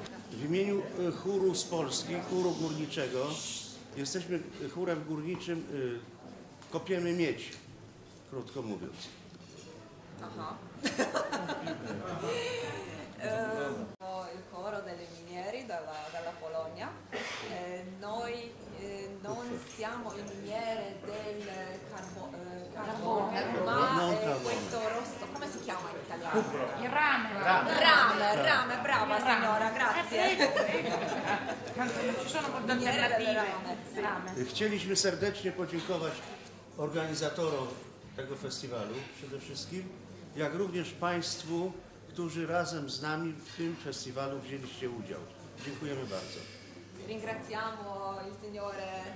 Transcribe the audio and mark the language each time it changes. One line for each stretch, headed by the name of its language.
Polish: W imieniu chóru z Polski, chóru górniczego, jesteśmy chórem górniczym, kopiemy miedź, krótko mówiąc. Aha.
Italian: Il coro delle minieri dalla Polonia. Noi non siamo il miniere del carbone, ma questo rosso, come si chiama in italiano? Il rame. Rame, brava signora, grazie. Non ci sono molte alternative.
Polish: Chcieliśmy serdecznie podziękować organizatorom tego festiwalu przede wszystkim, jak również Państwu, którzy razem z nami w tym festiwalu wzięliście udział. Dziękujemy bardzo.
Italian: Ringraziamo il signore.